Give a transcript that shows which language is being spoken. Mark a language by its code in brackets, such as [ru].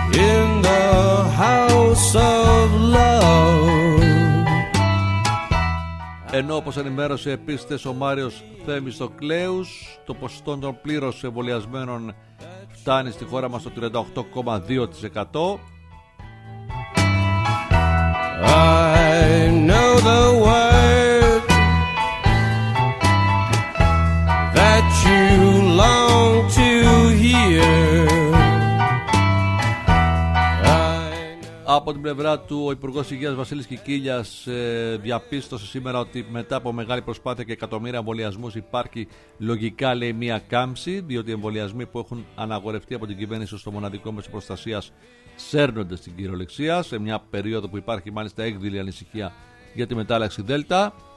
[en] In the house of love. [el] Ενώ όπως ενημέρωσε επίσης ο Μάριος Θεμιστοκλέους, το ποσοστό των πλήρως εμβολιασμένων φτάνει στη χώρα μας το 38,2%. [en] I know the word that you long to hear. [el] Από την πλευρά του, ο Υπουργός Υγείας Βασίλης Κικίλιας διαπίστωσε σήμερα ότι μετά από μεγάλη προσπάθεια και εκατομμύρια εμβολιασμούς υπάρχει λογικά, λέει, μία κάμψη, διότι οι εμβολιασμοί που έχουν αναγορευτεί από την κυβέρνηση στο μοναδικό μέσο προστασίας σέρνονται στην κυριολεξία, σε μια περίοδο που υπάρχει μάλιστα έκδηλη ανησυχία για τη μετάλλαξη Δέλτα.